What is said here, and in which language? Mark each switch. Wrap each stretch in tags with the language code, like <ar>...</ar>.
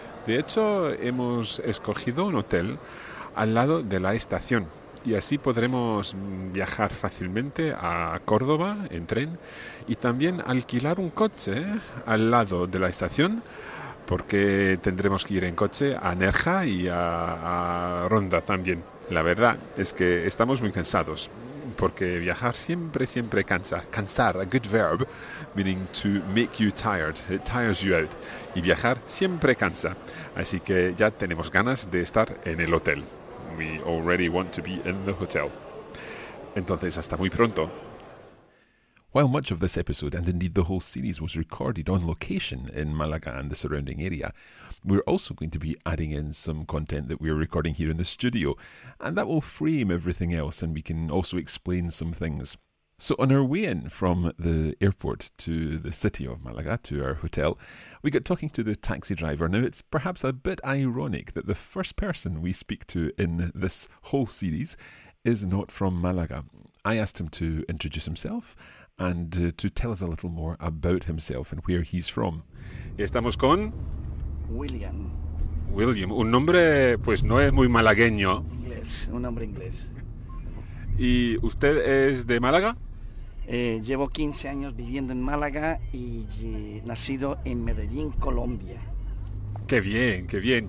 <es>De hecho, hemos escogido un hotel al lado de la estación y así podremos viajar fácilmente a Córdoba en tren y también alquilar un coche al lado de la estación, porque tendremos que ir en coche a Nerja y a Ronda también. La verdad es que estamos muy cansados, porque viajar siempre, siempre cansa.</es> <en>Cansar, a good verb, meaning to make you tired. It tires you out.</en> <es>Y viajar siempre cansa. Así que ya tenemos ganas de estar en el hotel.</es> <en>We already want to be in the hotel.</en> <es>Entonces, hasta muy pronto.</es> <en>While much of this episode, and indeed the whole series, was recorded on location in Malaga and the surrounding area, we're also going to be adding in some content that we're recording here in the studio, and that will frame everything else, and we can also explain some things. So on our way in from the airport to the city of Malaga, to our hotel, we got talking to the taxi driver. Now, it's perhaps a bit ironic that the first person we speak to in this whole series is not from Malaga. I asked him to introduce himself and to tell us a little more about himself and where he's from.</en> <es>Estamos con... William. William. Un nombre, pues, no es muy malagueño. Inglés. Un nombre inglés. ¿Y usted es de Málaga? Llevo 15 años viviendo en Málaga y nacido en Medellín, Colombia. ¡Qué bien, qué bien!</es>